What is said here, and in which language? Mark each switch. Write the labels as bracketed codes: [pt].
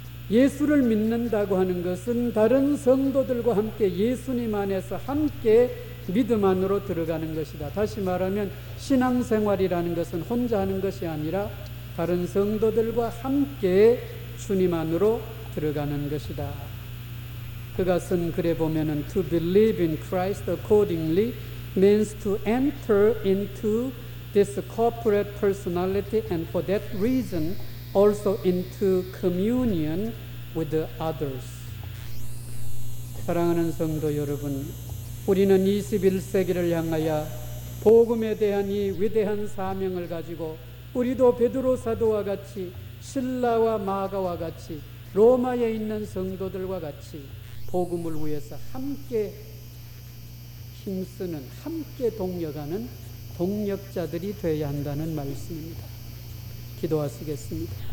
[ko] 예수를 믿는다고 하는 것은 다른 성도들과 함께 예수님 안에서 함께 믿음 안으로 들어가는 것이다. 다시 말하면 신앙생활이라는 것은 혼자 하는 것이 아니라 다른 성도들과 함께 주님 안으로 들어가는 것이다. 그가 쓴 글에 보면은 [en] To believe in Christ accordingly means to enter into this corporate personality and for that reason also into communion with the others. [ko] 사랑하는 성도 여러분, 우리는 21세기를 향하여 복음에 대한 이 위대한 사명을 가지고 우리도 베드로 사도와 같이, 신라와 마가와 같이, 로마에 있는 성도들과 같이 복음을 위해서 함께 힘쓰는, 함께 동역하는 동역자들이 되어야 한다는 말씀입니다. 기도하시겠습니다.